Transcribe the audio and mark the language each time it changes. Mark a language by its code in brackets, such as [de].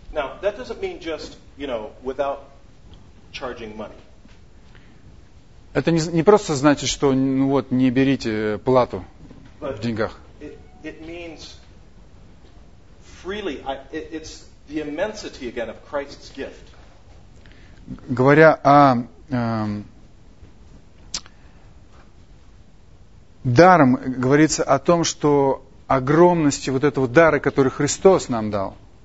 [en] Now, that doesn't mean just, you know, without charging money. [ru] Это не просто значит, что ну вот, не берите плату [en] But [ru] в деньгах. [en] It means freely, it's the immensity again of Christ's gift. [ru] Говоря о даром, говорится о том, что огромности вот этого дара, который Христос нам дал.